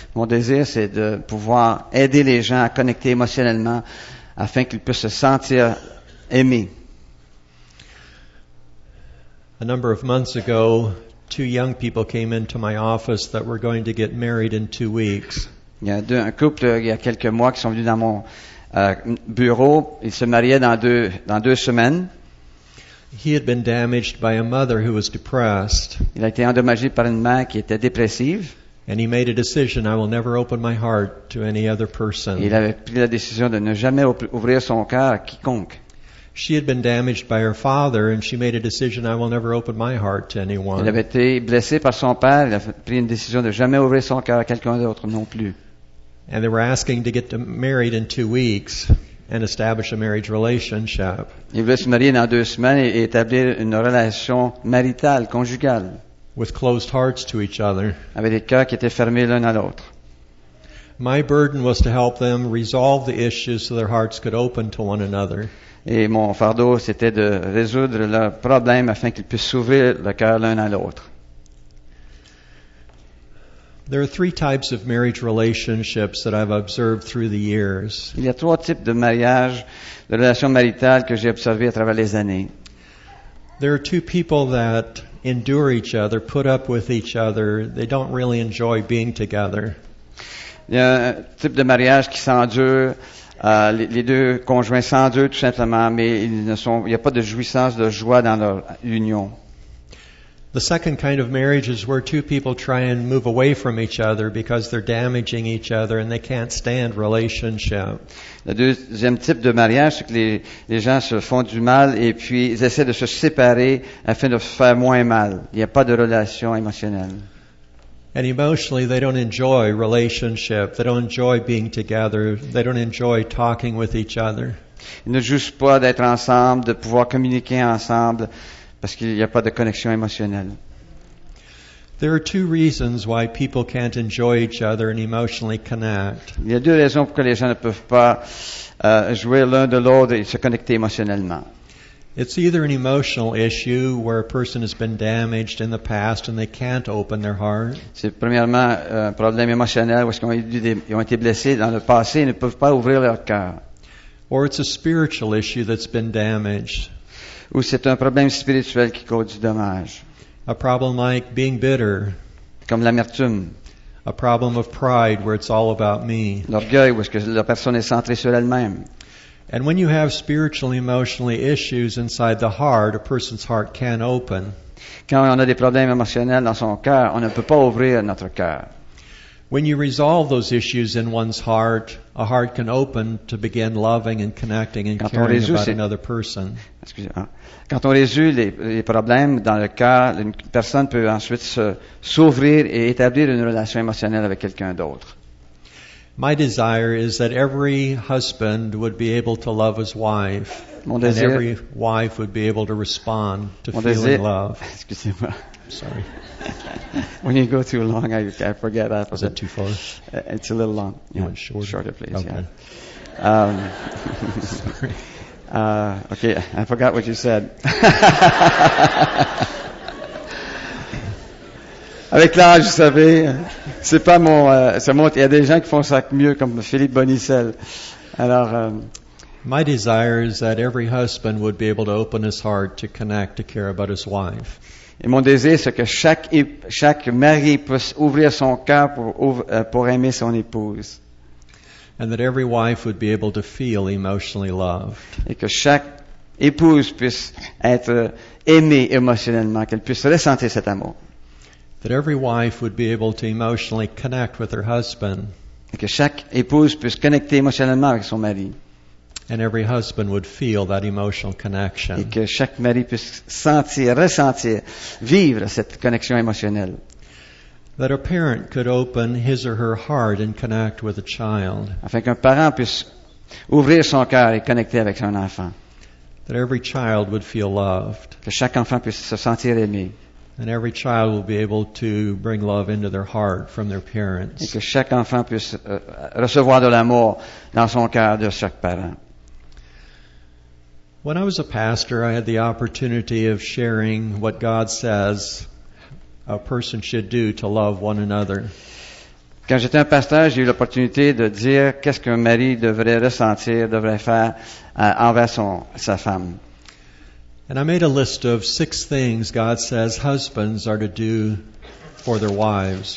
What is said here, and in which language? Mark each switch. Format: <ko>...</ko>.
<fr>Mon désir, c'est de pouvoir aider les gens à connecter émotionnellement afin qu'ils puissent se sentir aimés.</fr> <en>A number of months ago, two young people came into my office that were going to get married in 2 weeks.</en> <fr>Il y a un couple il y a quelques mois qui sont venus dans mon bureau. Ils se mariaient dans deux semaines.</fr> <en>He had been damaged by a mother who was depressed.</en> <fr>Il a été endommagé par une mère qui était dépressive.</fr> <en>And he made a decision, I will never open my heart to any other person.</en> <fr>Il avait pris la décision de ne jamais ouvrir son cœur à quiconque.</fr> <en>She had been damaged by her father and she made a decision, I will never open my heart to anyone.</en> <fr>Il avait été blessé par son père, il a pris une décision de jamais ouvrir son cœur à quelqu'un d'autre non plus.</fr> <en>And they were asking to get married in 2 weeks. And establish a marriage relationship.</en> <fr>Ils voulaient se marier dans 2 semaines et établir une relation maritale, conjugale.</fr> <en>With closed hearts to each other.</en> <fr>Avec des cœurs qui étaient fermés l'un à l'autre.</fr> <en>My burden was to help them resolve the issues so their hearts could open to one another.</en> <fr>Et mon fardeau, c'était de résoudre leurs problèmes afin qu'ils puissent s'ouvrir le cœur l'un à l'autre.</fr> <en>There are 3 types of marriage relationships that I've observed through the years.</en> <fr>Il y a 3 types de mariage, de relations maritales que j'ai observées à travers les années.</fr> <en>There are 2 people that endure each other, put up with each other. They don't really enjoy being together.</en> <fr>Il y a un type de mariage qui s'endure, les deux conjoints s'endurent tout simplement, mais il n'y a pas de jouissance, de joie dans leur union.</fr> <en>The second kind of marriage is where 2 people try and move away from each other because they're damaging each other and they can't stand relationship.</en> <fr>Le deuxième type de mariage, c'est que les gens se font du mal et puis ils essaient de se séparer afin de faire moins mal. Il n'y a pas de relation émotionnelle.</fr> <en>And emotionally, they don't enjoy relationship. They don't enjoy being together. They don't enjoy talking with each other.</en> <fr>Ils ne jouent pas d'être ensemble, de pouvoir communiquer ensemble, parce qu'il n'y a pas de connexion émotionnelle.</fr> <en>There are two reasons why people can't enjoy each other and emotionally connect.</en> <fr>Il y a deux raisons pourquoi les gens ne peuvent pas jouer l'un de l'autre et se connecter émotionnellement.</fr> <en>It's either an emotional issue where a person has been damaged in the past and they can't open their heart.</en> <fr>C'est premièrement un problème émotionnel où ils ont été blessés dans le passé et ne peuvent pas ouvrir leur cœur.</fr> <en>Or it's a spiritual issue that's been damaged.</en> <fr>Ou c'est un problème spirituel qui cause du dommage.</fr> <en>A problem like being bitter.</en> <fr>Comme l'amertume.</fr> <en>A problem of pride where it's all about me.</en> <fr>L'orgueil où la personne est centrée sur elle-même.</fr> <en>And when you have spiritual and emotional issues inside the heart, a person's heart can't open.</en> <fr>Quand on a des problèmes émotionnels dans son cœur, on ne peut pas ouvrir notre cœur.</fr> <en>When you resolve those issues in one's heart, a heart can open to begin loving and connecting and caring about another person.</en> <fr>Quand on résout les problèmes dans le cœur, une personne peut ensuite s'ouvrir et établir une relation émotionnelle avec quelqu'un d'autre.</fr> <en>My desire is that every husband would be able to love his wife,</en> <fr>mon désir,</fr> <en>and every wife would be able to respond to</en> <fr>mon désir,</fr> <en>feeling love.</en> <fr>Excusez-moi.</fr> <en>Sorry. When you go too long, I forget that. Is that too far? It's a little long. You want shorter? Shorter, please. Okay. Yeah. Sorry. Okay, I forgot what you said.</en> <fr>Avec l'âge, vous savez, c'est pas mon. Ça montre. Il y a des gens qui font ça mieux, comme Philippe Bonicelle. Alors.</fr> <en>My desire is that every husband would be able to open his heart to connect, to care about his wife.</en> <fr>Et mon désir, c'est que chaque mari puisse ouvrir son cœur pour aimer son épouse.</fr> <en>And that every wife would be able to feel emotionally loved.</en> <fr>Et que chaque épouse puisse être aimée émotionnellement, qu'elle puisse ressentir cet amour.</fr> <en>That every wife would be able to emotionally connect with her husband.</en> <fr>Et que chaque épouse puisse connecter émotionnellement avec son mari.</fr> <en>And every husband would feel that emotional connection.</en> <fr>Et que chaque mari puisse sentir, ressentir, vivre cette connexion émotionnelle.</fr> <en>That a parent could open his or her heart and connect with a child.</en> <fr>Afin qu'un parent puisse ouvrir son cœur et connecter avec son enfant.</fr> <en>That every child would feel loved.</en> <fr>Que chaque enfant puisse se sentir aimé.</fr> <en>And every child will be able to bring love into their heart from their parents.</en> <fr>Et que chaque enfant puisse recevoir de l'amour dans son cœur de chaque parent.</fr> <en>When I was a pastor, I had the opportunity of sharing what God says a person should do to love one another.</en> <fr>Quand j'étais un pasteur, j'ai eu l'opportunité de dire qu'est-ce qu'un mari devrait ressentir, devrait faire envers sa femme.</fr> <en>And I made a list of 6 things God says husbands are to do for their wives.</en>